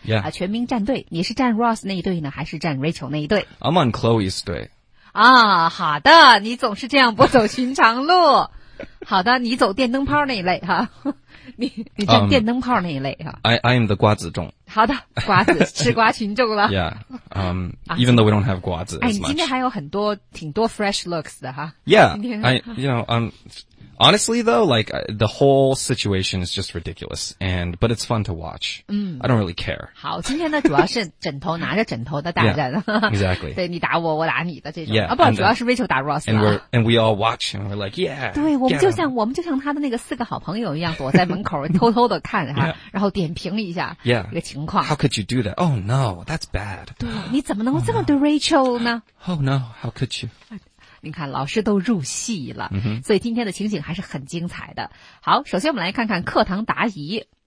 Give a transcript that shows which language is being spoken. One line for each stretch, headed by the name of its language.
English: Yeah.
Chinese: 全民站队，你是站 Ross 那一队呢，还是站 Rachel 那一队？
English: I'm on Chloe's 队。
Chinese: 啊，好的，你总是这样不走寻常路。好的，你走电灯泡那一类哈，你站电灯泡那一类哈。
English: I am the 瓜子众。
Chinese: 好的，瓜子吃瓜群众了。
English: Yeah, even though we don't have 瓜子as much.
Chinese: 哎，你今天还有很多挺多
English: fresh looks
Chinese: 的哈。
English: Yeah, honestly though, like the whole situation is just ridiculous, but it's fun to watch. 嗯，I don't really care.
Chinese: 好，今天呢主要是枕头拿着枕头的大战。
English: Yeah, exactly.
Chinese: 对，你打我，我打你的这种。
English: Yeah,
Chinese: 啊不， and, 主要是 Rachel 打 Ross。
English: And we all watch, and we're like, yeah.
Chinese: 对，我们就像他的那个四个好朋友一样，躲在门口偷偷的看哈、啊，
English: yeah.
Chinese: 然后点评一下这个情况。
English: Yeah. How could you do that? Oh no, that's bad.
Chinese: 对，你怎么能这么对 Rachel 呢
English: ？Oh no, how could you?
Chinese: 你看老师都入戏了、 mm-hmm. 所以今天的情景还是很精彩的。好，首先我们来看看课堂答疑。